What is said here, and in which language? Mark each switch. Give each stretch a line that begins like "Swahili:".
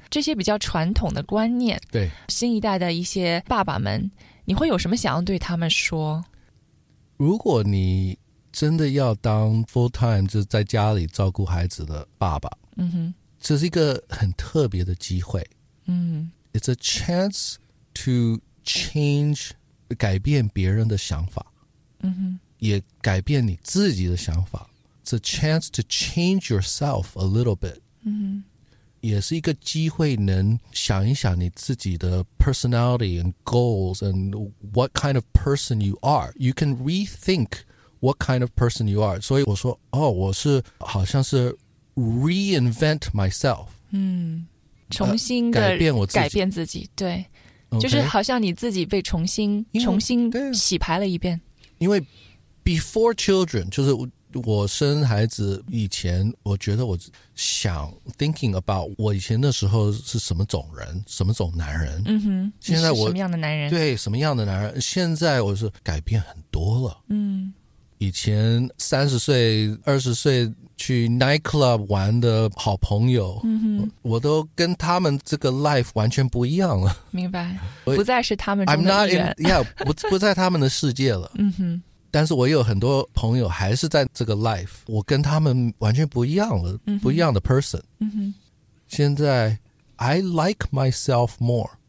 Chinese: 这些比较传统的观念，对，新一代的一些爸爸们，你会有什么想要对他们说？如果你真的要当 full time 就是在家里照顾孩子的爸爸，嗯哼，这是一个很特别的机会，嗯，
English: It's a chance to change
Chinese: 改变别人的想法，嗯哼，也改变你自己的想法。
English: It's a chance to change yourself a little bit. 嗯哼，也是一个机会能想一想你自己的 personality and goals and what kind of person you are. You can rethink what kind of person you are.
Chinese: 所以我说，哦，我是好像是
English: reinvent myself.
Chinese: 嗯，重新的改变我自己，改变自己，对，
English: okay.
Chinese: 就是好像你自己被重新洗牌了一遍。因为
English: before children,
Chinese: 就是我生孩子以前，我觉得我想
English: thinking about
Chinese: 我以前那时候是什么种人，什么种男人。嗯哼，现在我什么样的男人？对，什么样的男人？现在我是改变很多了。嗯，以前30岁、20岁去 nightclub 玩的好朋友，嗯哼，我都跟他们这个 life 完全不一样了。明白，不再是他们中的一员。不在他们的世界了。嗯哼。但是我有很多朋友还是在这个 life, 我跟他们完全不一样了、嗯、不一样的 person、嗯、
English: 现在 I like myself more、